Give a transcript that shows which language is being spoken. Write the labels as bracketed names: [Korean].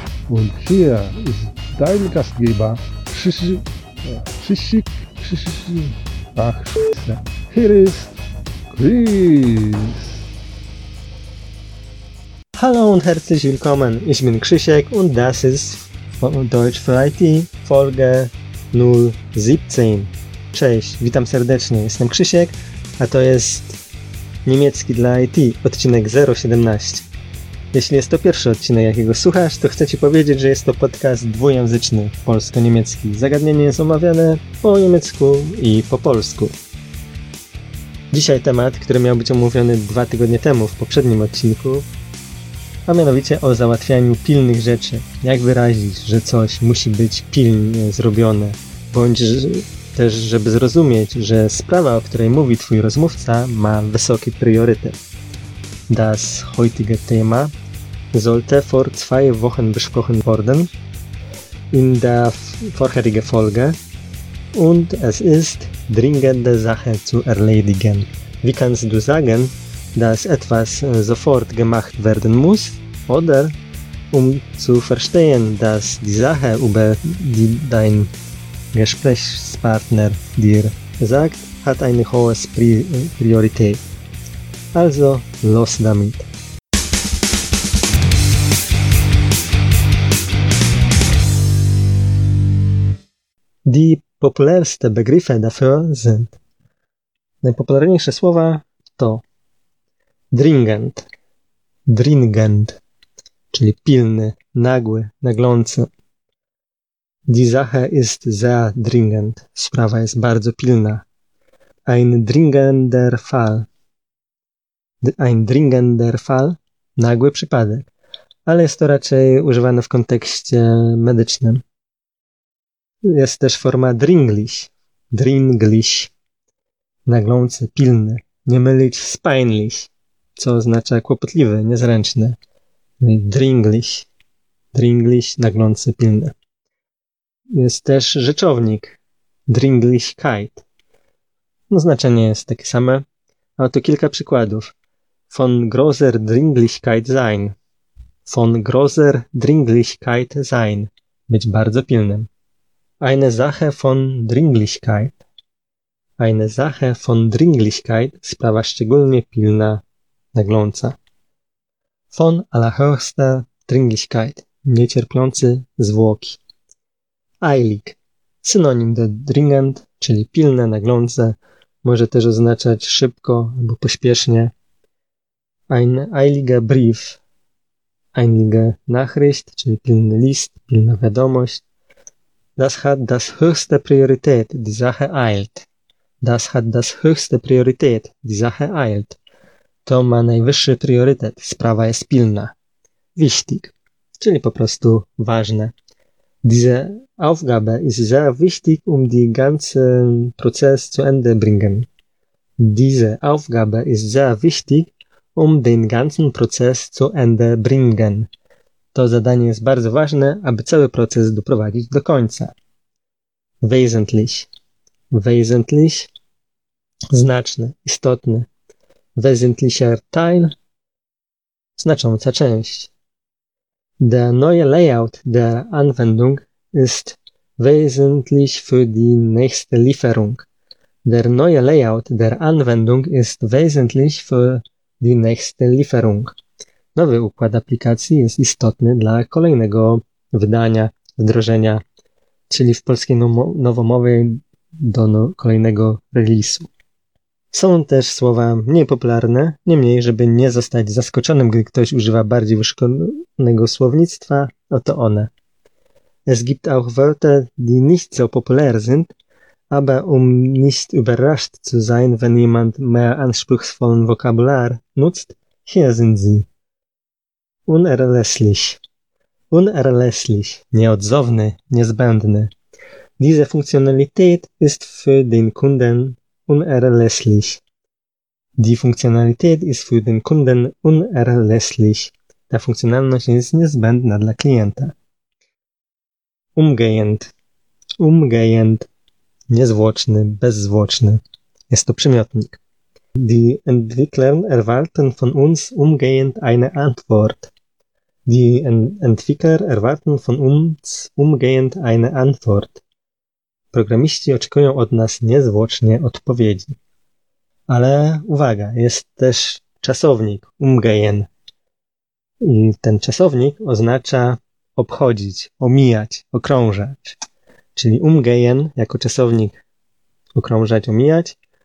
[German] Und hier ist dein Gastgeber, hier ist Chris. Hallo und herzlich willkommen, ich bin Krzysiek und das ist Deutsch für IT, Folge 017. [Polish] Cześć, witam serdecznie, jestem Krzysiek, a to jest niemiecki dla IT, odcinek 017. Jeśli jest to pierwszy odcinek, jakiego słuchasz, to chcę Ci powiedzieć, że jest to podcast dwujęzyczny, polsko-niemiecki. Zagadnienie jest omawiane po niemiecku i po polsku. Dzisiaj temat, który miał być omówiony 2 tygodnie temu, w poprzednim odcinku, a mianowicie o załatwianiu pilnych rzeczy. Jak wyrazić, że coś musi być pilnie zrobione, bądź też, żeby zrozumieć, że sprawa, o której mówi Twój rozmówca, ma wysoki priorytet. [German] Das heutige Thema sollte vor 2 Wochen besprochen worden in der vorherigen Folge und es ist dringende Sache zu erledigen. Wie kannst du sagen, dass etwas sofort gemacht werden muss? Oder um zu verstehen, dass die Sache, über die dein Gesprächspartner dir sagt, hat eine hohe Priorität. Also, los damit! Die populärste Begriffe dafür sind: [Polish] Najpopularniejsze słowa to dringend, dringend, czyli pilny, nagły, naglący. [German] Die Sache ist sehr dringend. [Polish] Sprawa jest bardzo pilna. [German] Ein dringender Fall. Ein dringender Fall, [Polish] nagły przypadek, ale jest to raczej używane w kontekście medycznym. Jest też forma dringlich, dringlich, naglący, pilny. Nie mylić z peinlich, co oznacza kłopotliwy, niezręczny. Dringlich, dringlich, naglący, pilny. Jest też rzeczownik, dringlichkeit. No, znaczenie jest takie same, a to kilka przykładów. [German] Von großer Dringlichkeit sein. Von großer Dringlichkeit sein. [Polish] Być bardzo pilnym. [German] Eine Sache von Dringlichkeit. Eine Sache von Dringlichkeit. [Polish] Sprawa szczególnie pilna, nagląca. [German] Von allerhöchster Dringlichkeit. [Polish] Niecierpiący zwłoki. Eilig. Synonim do dringend, czyli pilne, naglące. Może też oznaczać szybko albo pośpiesznie. [German] Ein eiliger Brief, eilige Nachricht, [Polish] czyli pilny list, pilna wiadomość. [German] Das hat das höchste Priorität, die Sache eilt. Das hat das höchste Priorität, die Sache eilt. [Polish] To ma najwyższy priorytet, sprawa jest pilna. Wichtig, czyli po prostu ważne. [German] Diese Aufgabe ist sehr wichtig, um den ganzen Prozess zu Ende bringen. Diese Aufgabe ist sehr wichtig, um den ganzen Prozess zu Ende bringen. [Polish] To zadanie jest bardzo ważne, aby cały proces doprowadzić do końca. Wesentlich. Wesentlich. Znaczny, istotny. [German] Wesentlicher Teil. [Polish] Znacząca część. [German] Der neue Layout der Anwendung ist wesentlich für die nächste Lieferung. Der neue Layout der Anwendung ist wesentlich für die nächste Lieferung. [Polish] Nowy układ aplikacji jest istotny dla kolejnego wydania, wdrożenia, czyli w polskiej nowomowie do kolejnego release'u. Są też słowa mniej popularne, niemniej, żeby nie zostać zaskoczonym, gdy ktoś używa bardziej wyszkolonego słownictwa, oto one. [German] Es gibt auch Wörter, die nicht so populär sind, aber um nicht überrascht zu sein, wenn jemand mehr anspruchsvollen Vokabular nutzt, hier sind sie. Unerlässlich. Unerlässlich. [Polish] Nieodzowny, niezbędny. [German] Diese Funktionalität ist für den Kunden unerlässlich. Die Funktionalität ist für den Kunden unerlässlich. [Polish] Der Funktionalność ist niezbędna dla klienta. Umgehend. Umgehend. Niezwłoczny, bezzwłoczny. Jest to przymiotnik. [German] Die Entwickler erwarten von uns umgehend eine Antwort. Die Entwickler erwarten von uns umgehend eine Antwort. [Polish] Programiści oczekują od nas niezwłocznie odpowiedzi. Ale uwaga, jest też czasownik, umgehen. I ten czasownik oznacza obchodzić, omijać, okrążać. Czyli umgehen jako czasownik okrążać, omijać.